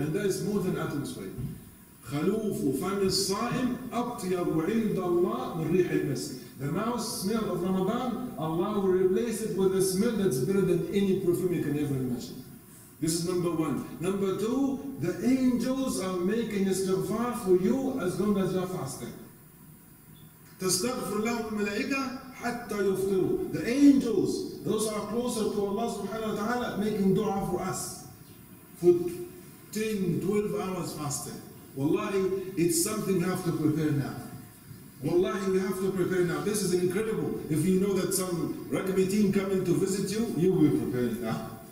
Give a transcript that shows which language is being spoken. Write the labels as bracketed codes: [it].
[ar] And that is more than atom's weight. خَلُوفُ فَمِ الصَّائِمِ أَبْتِيَرُ عِنْدَ اللَّهِ مِنْ رِيحِ الْمَسْكِ. [en] The mouth smell of Ramadan, Allah will replace it with a smell that's better than any perfume you can ever imagine. This is number one. Number two, the angels are making istighfar for you as long as you're fasting. [ar] تستغفر لهم الملائكة حتى يفطروا. [en] The angels, those are closer to Allah subhanahu wa ta'ala, making dua for us. For 10, 12 hours fasting. Wallahi, it's something you have to prepare now. Wallahi, we have to prepare now. This is incredible. If you know that some rugby team coming to visit you, you will prepare now.